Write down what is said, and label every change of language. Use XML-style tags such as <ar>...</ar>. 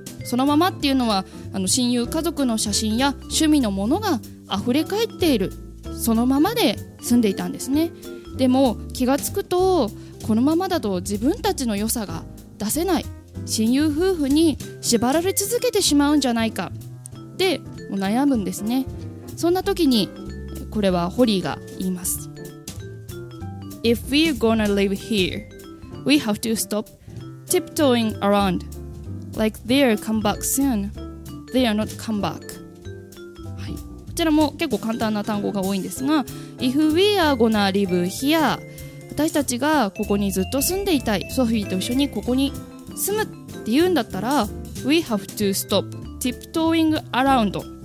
<ja>そのままっていうのは、あの親友家族の写真や趣味のものがあふれかえっている、そのままで住んでいたんですね。でも気がつくと、このままだと自分たちの良さが出せない、親友夫婦に縛られ続けてしまうんじゃないかって悩むんですね。そんな時にこれはホリーが言います。</ja> <en>If we're gonna live here, we have to stoptiptoeing around, like they'll come back soon. They are not come back.、</en> <ja>はい、こちらも結構簡単な単語が多いんですが、</ja> <en>If we are gonna live here,</en> <ja>私たちがここにずっと住んでいたい、ソフィーと一緒にここに住むって言うんだったら、</ja> <en>We have to stop tiptoeing around.</en>